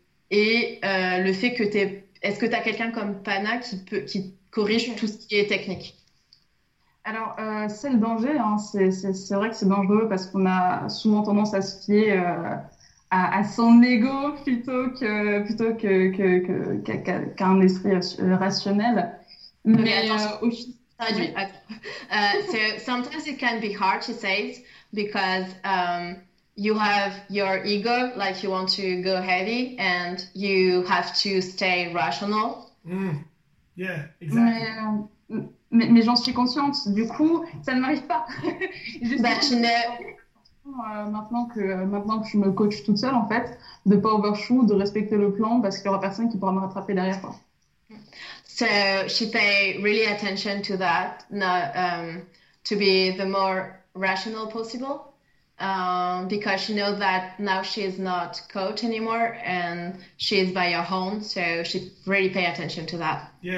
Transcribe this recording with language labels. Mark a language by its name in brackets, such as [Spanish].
[French] et le fait que est-ce que tu as quelqu'un comme Pana qui corrige tout ce qui est technique? Alors, c'est le danger, hein. C'est vrai que c'est dangereux parce qu'on a souvent tendance à se fier à son ego qu'à un esprit rationnel. Mais Mais attention, traduit. oui. [English] Sometimes it can be hard to say because you have your ego, like you want to go heavy, and you have to stay rational. Yeah, exactly. [French] Mais j'en suis consciente. Du coup, ça ne m'arrive pas. J'essaie de maintenant que je me coach toute seule, en fait, de pas overshoot, de respecter le plan, parce qu'il n'y aura personne qui pourra me rattraper derrière, quoi. [English] So she pay really attention to that, to be the more rational possible, because she knows that now she is not coach anymore and she is by her home, so she really pay attention to that.